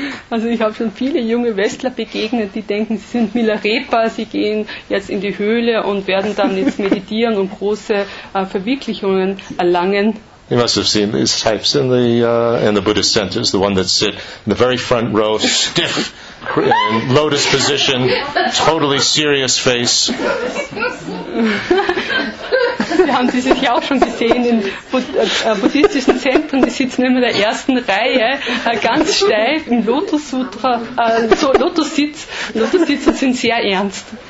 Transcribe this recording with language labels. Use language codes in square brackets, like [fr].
[de] Also ich habe schon viele junge Westler begegnet, die denken, sie sind Milarepa, sie gehen jetzt in die Höhle und werden dann jetzt meditieren und große Verwirklichungen erlangen. [en] You must have seen these types in the Buddhist centers, the one that sit in the very front row, stiff, in lotus position, totally serious face. [de] Sie haben sie sich auch schon gesehen in buddhistischen Zentren, die sitzen immer in der ersten Reihe, ganz steif im Lotus-Sitz und sind sehr ernst.